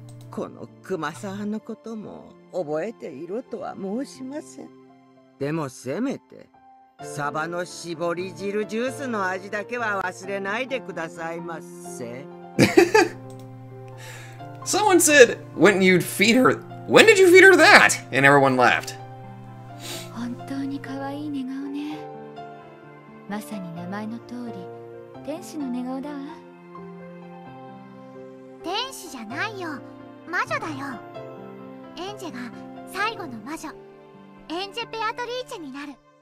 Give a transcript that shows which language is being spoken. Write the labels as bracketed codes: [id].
[ja] このクマさんのことも覚えているとは申しません。でもせめてサバの絞り汁ジュースの味だけは忘れないでくださいませ。 [en] Someone said, when you'd feed her, when did you feed her that? And everyone laughed. [ja] 本当に可愛い寝顔。まさに名前の通り、天使の寝顔だわ。天使じゃないよ、魔女だよ。エンジェが最後の魔女、エンジェ・ベアトリーチェになる。